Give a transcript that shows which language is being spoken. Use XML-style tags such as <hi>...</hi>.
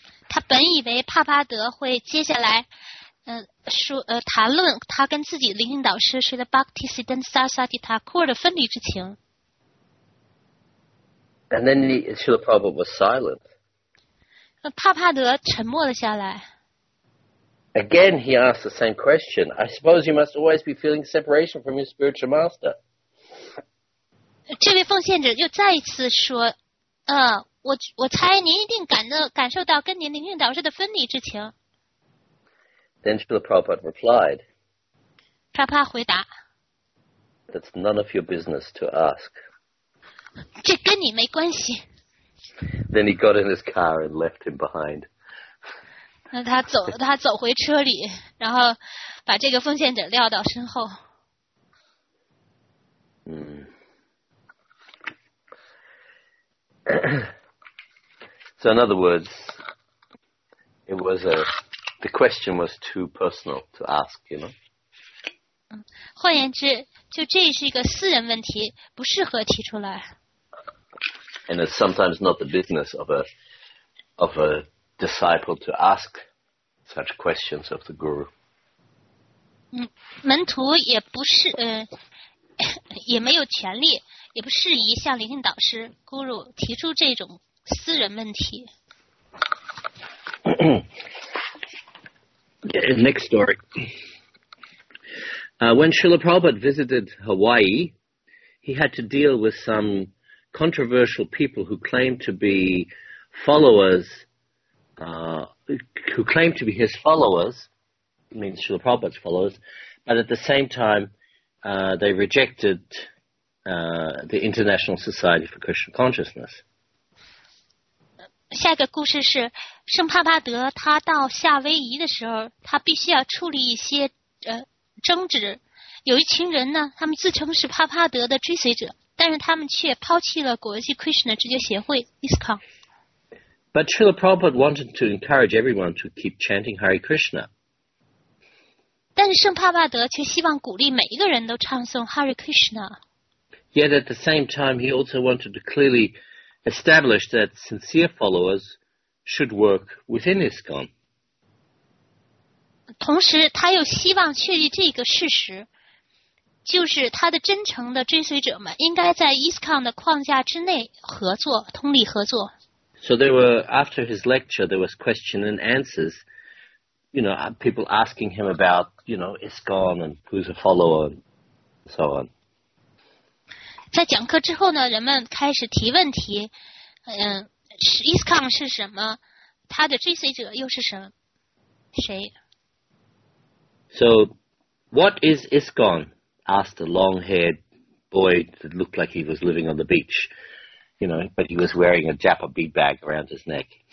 <zh>他本以为帕帕德会接下来谈论他跟自己灵性导师是的 Bhaktisiddhanta Saraswati Thakur 的分离之情。</zh> <en>And then Srila Prabhupada was silent.</en> <zh>帕帕德沉默了下来。</zh> <en>Again, he asked the same question. I suppose you must always be feeling separation from your spiritual master.</en> <zh>这位奉献者又再一次说，我猜您一定感受到跟您灵性导师的分离之情。</zh> <en>Then Srila Prabhupada replied,</en> <zh>Prabhupada 回答,</zh> <en>That's none of your business to ask.</en> <zh>这跟你没关系。</zh> <en>Then he got in his car and left him behind.</en> <zh>他走回车里，然后把这个奉献者撂到身后。</zh> <en>So in other words, it was the question was too personal to ask, you know?</en> <zh>换言之，就这是一个私人问题，不适合提出来。</zh> <en>And it's sometimes not the business of a disciple to ask such questions of the guru.</en> <zh>门徒也不是也没有权利，也不适宜向灵性导师 guru 提出这种私人问题。</zh> <en>Yeah, next story. When Srila Prabhupada visited Hawaii, he had to deal with some controversial people who claimed to be followers, who claimed to be his followers, means Srila Prabhupada's followers, but at the same time, they rejected the International Society for Krishna Consciousness.</en> <zh>下一个故事是圣帕帕德他到夏威夷的时候，他必须要处理一些争执。有一群人呢，他们自称是帕帕德的追随者，但是他们却抛弃了国际 Krishna 直觉协会 ISKCON。</zh> <en>But Srila Prabhupada wanted to encourage everyone to keep chanting Hare Krishna.</en> <zh>但是圣帕帕德却希望鼓励每一个人都唱诵 Hare Krishna。</zh> <en>Yet at the same time, he also wanted to clearly establish that sincere followers should work within ISKCON.</en> <zh>同时他又希望确立这个事实，就是他的真诚的追随者们应该在 ISKCON 的框架之内合作，通力合作。</zh> <en>So there were, after his lecture, there was question and answers, you know, people asking him about, you know, ISKCON and who's a follower and so on.</en> <zh>在讲课之后呢，人们开始提问题，ISKCON 是什么，他的追随者又是什么，谁。</zh> <en>So, what is ISKCON? Asked a long-haired boy that looked like he was living on the beach, you know, but he was wearing a japa bead bag around his neck.</en>